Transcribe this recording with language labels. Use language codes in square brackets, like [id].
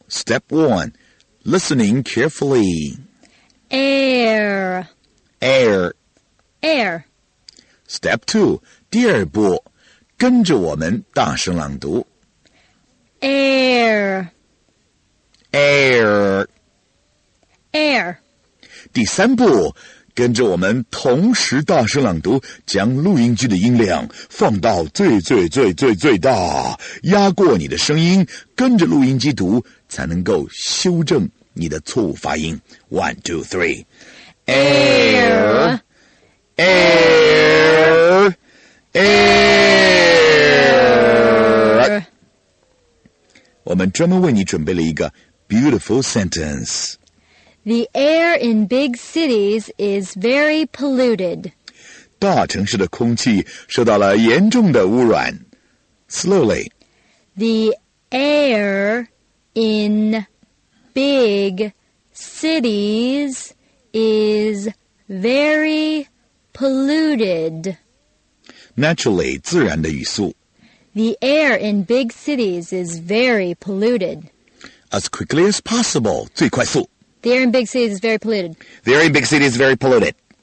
[en] Step one, listening carefully. Air. Air. Air. Step two, [zh] 第二步，跟着我们大声朗读。 [en] Air. Air. Air. [zh] 第三步，跟着我们同时大声朗读，将录音机的音量放到最最最最最大，压过你的声音，跟着录音机读，才能够修正你的错误发音。 [en] One, two, three. Air, air, air. [zh] 我们专门为你准备了一个 [en] beautiful sentence. The air in big cities is very polluted. [zh] 大城市的空气受到了严重的污染。 [en] Slowly. The air in big cities is very polluted. Naturally, [zh] 自然的语速。 [en] The air in big cities is very polluted. As quickly as possible, [zh] 最快速。 [en] The air in big cities is very polluted. The air in big cities is very polluted.